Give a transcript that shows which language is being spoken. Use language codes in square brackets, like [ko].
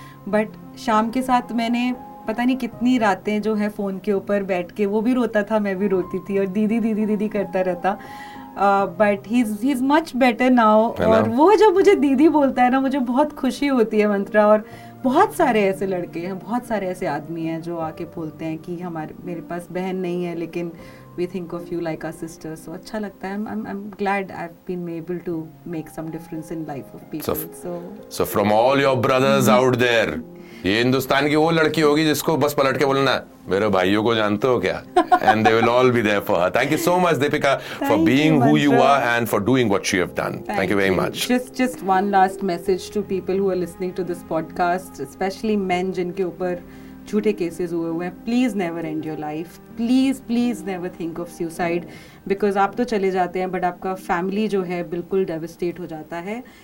[hi] But शाम के साथ मैंने पता नहीं कितनी रातें जो है फ़ोन के ऊपर बैठ के, वो भी रोता था, मैं भी रोती थी, और दीदी दीदी दीदी करता रहता. [en] But he's much better now. [hi] और वो जब मुझे दीदी बोलता है ना, मुझे बहुत खुशी होती है मंत्रा. और बहुत सारे ऐसे लड़के हैं, बहुत सारे ऐसे आदमी हैं जो आके बोलते हैं कि हमारे, मेरे पास बहन नहीं है, लेकिन [en] we think of you like our sister. [hi] So अच्छा लगता है. [en] I'm glad I've been able to make some difference in life of people. So from all your brothers out there, [hi] ये हिंदुस्तान की वो लड़की होगी जिसको बस पलट के बोलना, मेरे भाइयों को जानते हो क्या? [en] And they will all be there for her. Thank you so much, Deepika, for being who you are and for doing what you have done. Thank you very much. Just one last message to people who are listening to this podcast, especially men [hi] जिनके ऊपर झूठे cases हुए हैं. [en] Please never end your life. Please never think of suicide, because [hi] आप तो चले जाते हैं, [en] but [hi] आपका family जो है बिल्कुल devastate हो जाता [en] है.